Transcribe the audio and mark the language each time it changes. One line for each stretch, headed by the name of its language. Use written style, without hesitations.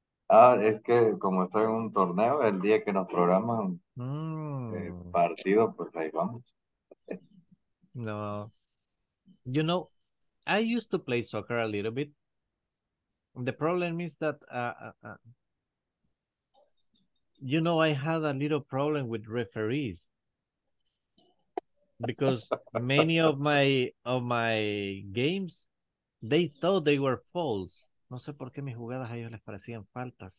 Spanish: Es que como estoy en un torneo, el día que nos programan partido, pues ahí vamos. No.
English: You know, I used to play soccer a little bit. The problem is that, you know, I had a little problem with referees. Because many of my games, they thought they were fouls.
Spanish: No sé por qué mis jugadas a ellos les parecían faltas.